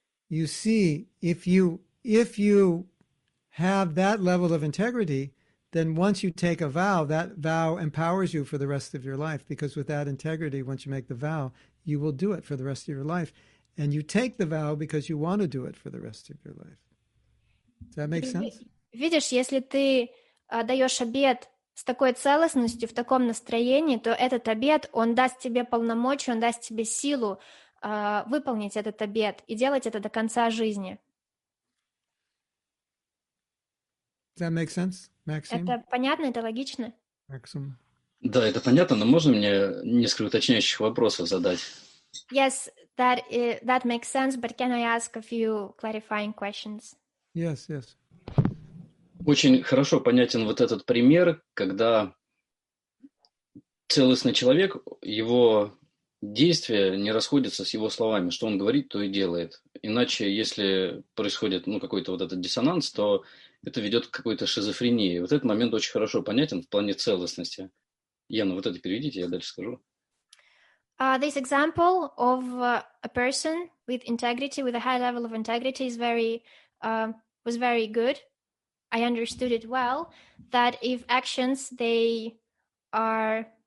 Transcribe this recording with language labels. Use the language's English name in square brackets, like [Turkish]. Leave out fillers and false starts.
[English] You see, if you have that level of integrity, then once you take a vow, that vow empowers you for the rest of your life. Because with that integrity, once you make the vow, you will do it for the rest of your life. And you take the vow because you want to do it for the rest of your life. Does that make sense? [Russian] Видишь, если ты даешь обет с такой целостностью, в таком настроении, то этот обет, он даст тебе полномочия, он даст тебе силу выполнить этот обет и делать это до конца жизни. [English] Does that make sense, Maxim? [Russian] Это понятно, это логично? [English] Maxim. [Russian] Да, это понятно, но можно мне несколько уточняющих вопросов задать? [English] Yes, that makes sense, but can I ask a few clarifying questions? Yes, yes. [Russian] Очень хорошо понятен вот этот пример, когда целостный человек, его действия не расходятся с его словами. Что он говорит, то и делает. Иначе, если происходит какой-то вот этот диссонанс, то это ведет к какой-то шизофрении. Вот этот момент очень хорошо понятен в плане целостности. Яна, вот это переведите, я дальше скажу. [English] This example of a person with integrity, with a high level of integrity is very good. I understood it well, that if actions, they are...